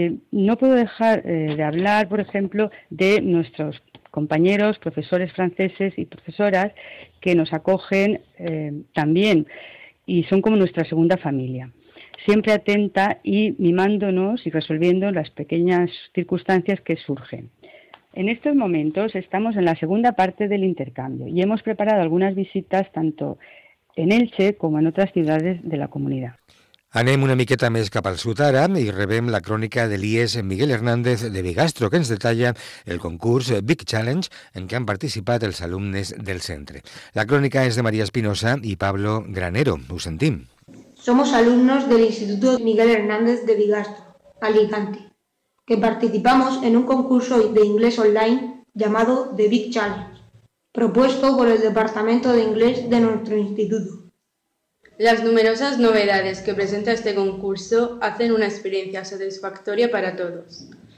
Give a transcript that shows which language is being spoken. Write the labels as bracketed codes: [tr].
[es] No puedo dejar de hablar, por ejemplo, de nuestros compañeros, profesores franceses y profesoras que nos acogen también y son como nuestra segunda familia. Siempre atenta y mimándonos y resolviendo las pequeñas circunstancias que surgen. En estos momentos estamos en la segunda parte del intercambio y hemos preparado algunas visitas tanto en Elche como en otras ciudades de la comunidad. [ca] Anem una miqueta més cap al sud ara i rebem la crònica de l'IES Miguel Hernández de Bigastro, que ens detalla el concurs Big Challenge en què han participat els alumnes del centre. La crònica és de María Espinosa i Pablo Granero. Ho sentim. [es] Somos alumnos del Instituto Miguel Hernández de Bigastro, Alicante, que participamos en un concurso de inglés online llamado The Big Challenge, propuesto por el Departamento de Inglés de nuestro instituto. Las numerosas novedades que presenta este concurso hacen una experiencia satisfactoria para todos.